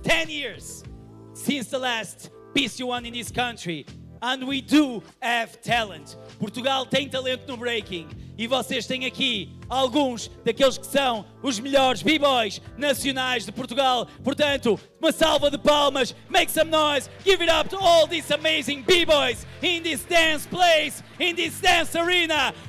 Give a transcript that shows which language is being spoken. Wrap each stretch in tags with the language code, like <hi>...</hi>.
<en>10 years since the last PC1 in this country. And we do have talent.</en> <pt>Portugal tem talento no breaking. E vocês têm aqui alguns daqueles que são os melhores b-boys nacionais de Portugal. Portanto, uma salva de palmas.</pt> <en>Make some noise. Give it up to all these amazing b-boys in this dance place, in this dance arena.</en>